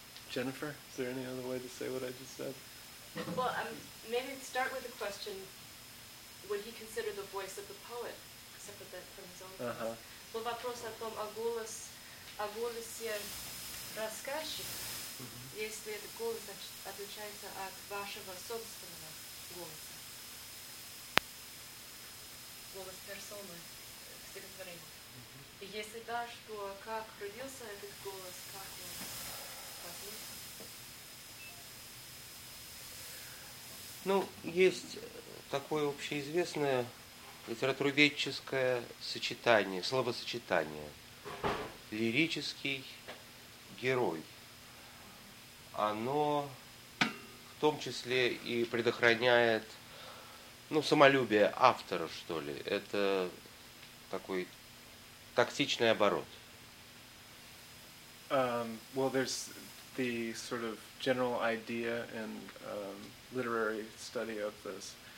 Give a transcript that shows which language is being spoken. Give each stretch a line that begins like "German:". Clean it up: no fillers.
English: Jennifer, is there any other way to say what I just said? Well, maybe start with the question, would he consider the voice of the poet separate from his own voice?
Russian: Был вопрос о том, о голосе рассказчика. Если этот голос отличается от вашего собственного голоса, голос персоны в стихотворении. И если да, то как родился этот голос, как он родился? Ну, есть такое общеизвестное литературоведческое сочетание, словосочетание. Лирический герой. Оно в том числе и предохраняет, ну, самолюбие автора, что ли. Это такой тактичный оборот.
English: Well, there's the sort of general idea in literary study of this.